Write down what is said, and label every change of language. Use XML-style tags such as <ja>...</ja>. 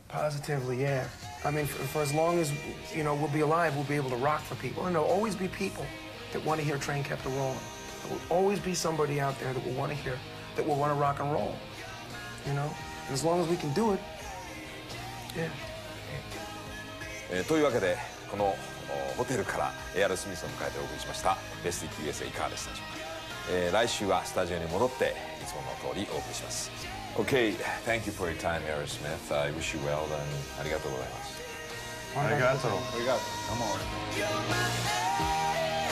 <en>Positively, yeah. I mean, for as long as, we'll be alive, we'll be able to rock for people. And there'll always be people that want to hear Train Kept a Rollin'. There will always be somebody out there that will want to hear, that will want to rock and roll. And as long as we can do it, yeah.</en> <ja>というわけで、このホテルからエアロスミスを迎えてお送りしました「ベスティ QSA」いかがでしたでしょうか、来週はスタジオに戻っていつもの通りお送りします</ja> <en>OK Thank you for your time Aerosmith I wish you well done</en> <ja>ありがとうございますありがとうございます</ja>